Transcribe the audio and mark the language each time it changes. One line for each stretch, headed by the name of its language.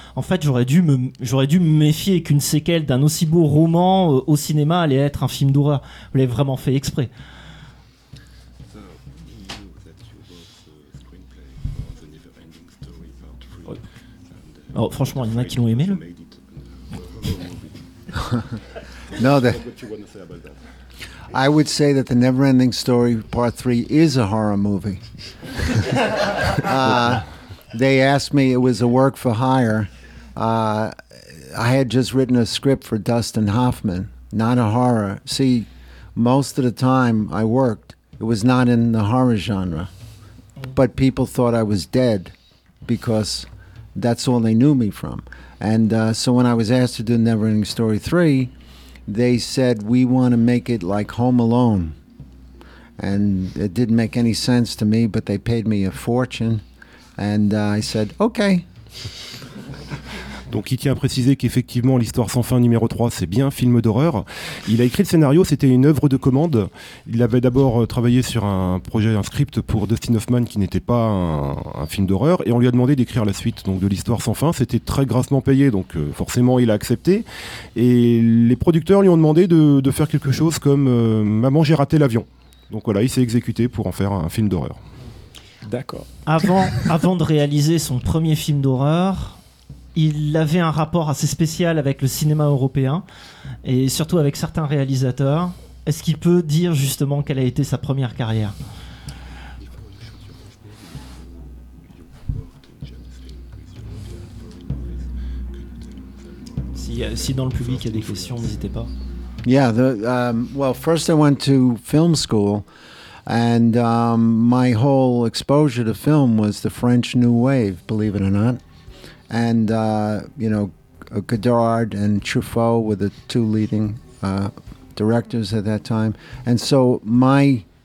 French: En fait, j'aurais dû me méfier qu'une séquelle d'un aussi beau roman au cinéma allait être un film d'horreur. Vous l'avez vraiment fait exprès. Oh, franchement, il y en a qui l'ont aimé, là.
English: No, I would say that the Neverending Story Part 3 is a horror movie. They asked me, it was a work for hire. I had just written a script for Dustin Hoffman, not a horror. See, most of the time I worked, it was not in the horror genre. But people thought I was dead because that's all they knew me from. And so when I was asked to do Neverending Story 3, they said, we want to make it like Home Alone. And it didn't make any sense to me, but they paid me a fortune. And I said, okay.
French: Donc il tient à préciser qu'effectivement l'histoire sans fin numéro 3 c'est bien un film d'horreur. Il a écrit le scénario, c'était une œuvre de commande. Il avait d'abord travaillé sur un script pour Dustin Hoffman qui n'était pas un film d'horreur, et on lui a demandé d'écrire la suite donc de l'histoire sans fin. C'était très grassement payé, donc forcément il a accepté. Et les producteurs lui ont demandé de faire quelque chose comme Maman j'ai raté l'avion. Donc voilà, il s'est exécuté pour en faire un film d'horreur. D'accord. Avant de réaliser son premier film d'horreur, il avait un rapport assez spécial avec le cinéma européen et surtout avec certains réalisateurs. Est-ce qu'il peut dire justement quelle a été sa première carrière? Si dans le public il y a des questions, n'hésitez pas.
English: Yeah, well, first I went to film school and my whole exposure to film was the French New Wave, believe it or not. And, you know, Godard and Truffaut were the two leading directors at that time. And so my